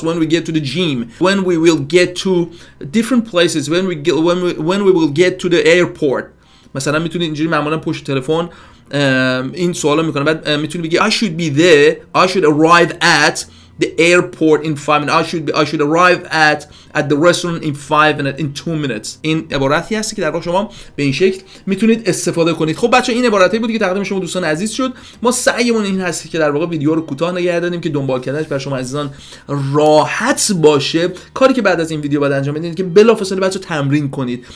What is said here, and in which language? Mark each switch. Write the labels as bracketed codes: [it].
[en] When we get to the gym? When we will get to different places? When we will get to the airport? [fa] مثلا میتونید اینجوری معمولا پشت تلفن این سوالو میکنه، بعد میتونید بگید [en] I should arrive at the airport in 5 minutes. I should arrive at the restaurant in 5 minutes. In 2 minutes. [fa] این عبارتی هست که در واقع شما به این شکل میتونید استفاده کنید. خب بچه، این عبارتی بود که تقدیم شما دوستان عزیز شد. ما سعیمون این هست که در واقع ویدیو رو کوتاه نگه داریم که دنبال کردنش برای شما عزیزان راحت باشه. کاری که بعد از این ویدیو باید انجام بدید که بلافاصله بچه تمرین کنید.